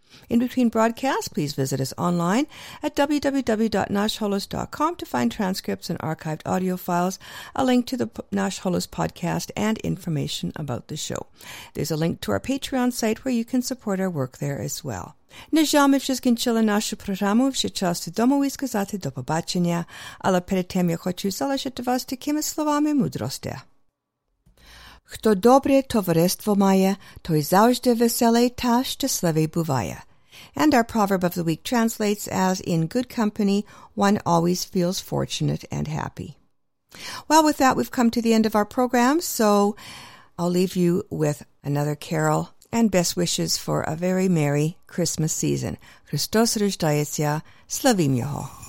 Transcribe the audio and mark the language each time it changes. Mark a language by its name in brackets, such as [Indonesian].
[English] In between broadcasts, please visit us online at www.nashholos.com to find transcripts and archived audio files, a link to the Nash Holos podcast, and information about the show. There's a link to our Patreon site where you can support our work there as well. [Ukrainian] На жаль, ми закінчили нашу програму, вже час додому і сказати до побачення. Але перед тим я хочу залишити вас такими словами мудрості. Хто добре товариство має, той завжди веселий та щасливий буває. [English] And our proverb of the week translates as, in good company, one always feels fortunate and happy. Well, with that, we've come to the end of our program, so I'll leave you with another carol. And best wishes for a very merry Christmas season. [Ukrainian] Христос рождається, славім його.